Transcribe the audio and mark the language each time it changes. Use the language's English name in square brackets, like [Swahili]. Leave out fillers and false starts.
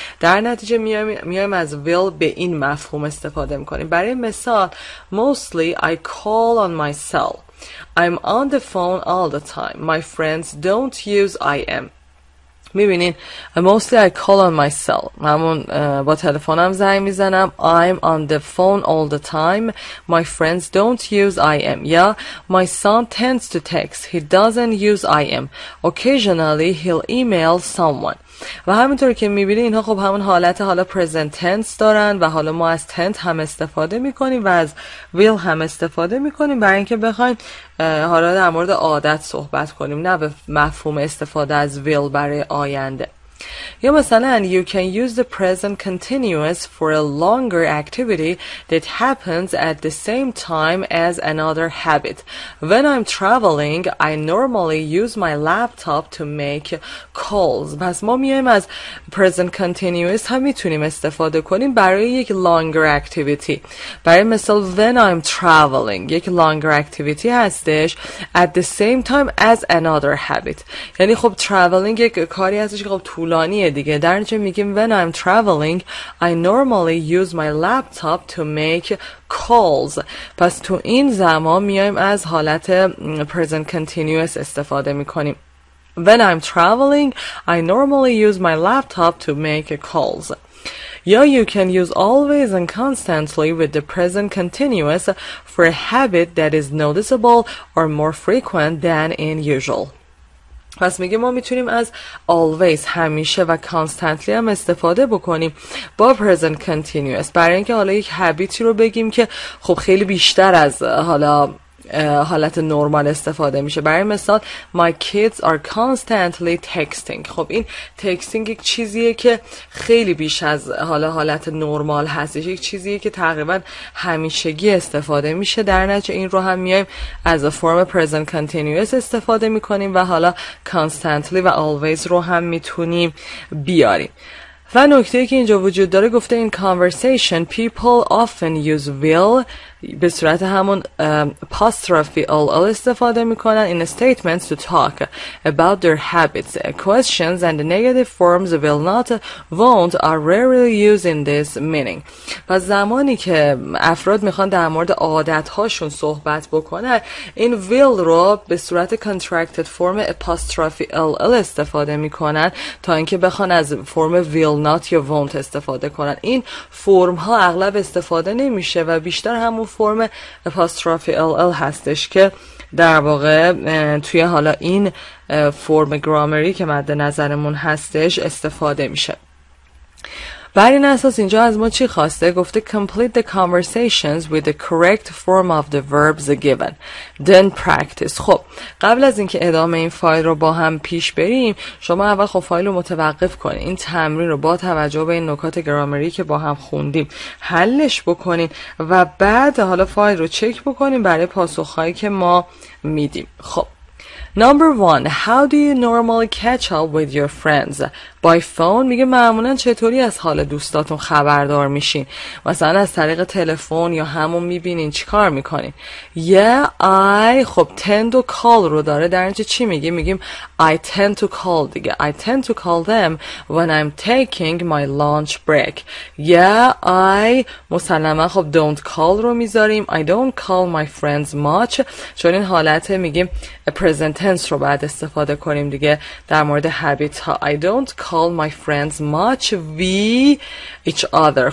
[Persian] در نتیجه میایم از will به این مفهوم استفاده میکنیم. برای مثال [English] mostly I call on myself، I'm on the phone all the time، my friends don't use I am. [Persian] میبینین [English] mostly I call on myself، [Persian] همون با تلفنم زنگ میزنم. [English] I'm on the phone all the time، my friends don't use I am. [Persian] یا [English] my son tends to text، he doesn't use I am، occasionally he'll email someone. [Persian] و همینطور که میبینین اینها خب همون حالت حالا present tense دارن و حالا ما از tense هم استفاده میکنیم و از will هم استفاده میکنیم برای اینکه بخوایم حالا در مورد عادت صحبت کنیم، نه به مفهوم استفاده از will برای آینده. یا مثلا [English] you can use the present continuous for a longer activity that happens at the same time as another habit. When I'm traveling, I normally use my laptop to make calls. [Persian] پس ما میایم از present continuous هم میتونیم استفاده کنیم برای یک longer activity. برای مثال [English] when I'm traveling [Persian] یک [English] longer activity [Persian] هستش، [English] at the same time as another habit. [Persian] یعنی خب traveling یک کاری هستش که خب طولانیه دیگه. در نتیجه میگیم [English] when I'm traveling I normally use my laptop to make calls. [Persian] پس تو این زمان میایم از حالت present continuous استفاده میکنیم. [English] When I'm traveling I normally use my laptop to make calls. [Persian] یا [English] you can use always and constantly with the present continuous for a habit that is noticeable or more frequent than in usual. [Persian] پس میگه ما میتونیم از always همیشه و constantly هم استفاده بکنیم با present continuous برای اینکه حالا یک habitی رو بگیم که خب خیلی بیشتر از حالا حالت نرمال استفاده میشه. [English] برای مثال my kids are constantly texting. [Persian] خب این texting یک چیزیه که خیلی بیش از حالا حالت نرمال هستش، یک چیزیه که تقریبا همیشگی استفاده میشه. در نتیجه این رو هم میایم از فرم present continuous استفاده میکنیم و حالا constantly و always رو هم میتونیم بیاریم. و نکته که اینجا وجود داره، گفته [English] in conversation people often use will [Persian] به صورت همون [English] apostrophe all [Persian] استفاده میکنن [English] in statements to talk about their habits. Questions and the negative forms will not, won't are rarely used in this meaning. [Persian] پس زمانی که افراد میخوان در مورد عادتهاشون صحبت بکنن، این will رو به صورت [English] contracted form apostrophe all [Persian] استفاده میکنن تا اینکه بخوان از فرم will not یا won't استفاده کنن. این فرم ها اغلب استفاده نمیشه و بیشتر همون فرم apostrophe ll هستش که در واقع توی حالا این فرم گرامری که مد نظرمون هستش استفاده میشه. بر این اساس اینجا از ما چی خواسته؟ گفته [English] complete the conversations with the correct form of the verbs given. Then practice. [Persian] خب قبل از اینکه ادامه این فایل رو با هم پیش بریم، شما اول خب فایل رو متوقف کنید. این تمرین رو با توجه به این نکات گرامری که با هم خوندیم حلش بکنید و بعد حالا فایل رو چک بکنید برای پاسخهایی که ما میدیم. خب [English] Number one, how do you normally catch up with your friends? By phone. [Persian] میگه معمولا چطوری از حال دوستاتون خبردار میشین؟ مثلا از طریق تلفن یا همون میبینین چیکار میکنین؟ [English] Yeah, I [Persian] خب [English] tend to call [Persian] رو داره، در اینجا چی میگه؟ میگیم [English] I tend to call [Persian] دیگه. [English] I tend to call them when I'm taking my lunch break. Yeah, I [Persian] مسلما خب [English] don't call [Persian] رو میذاریم. [English] I don't call my friends much. [Persian] چون این حالته میگیم present tense رو بعد استفاده کنیم دیگه در مورد habit ها. [English] I don't call my friends much we each other.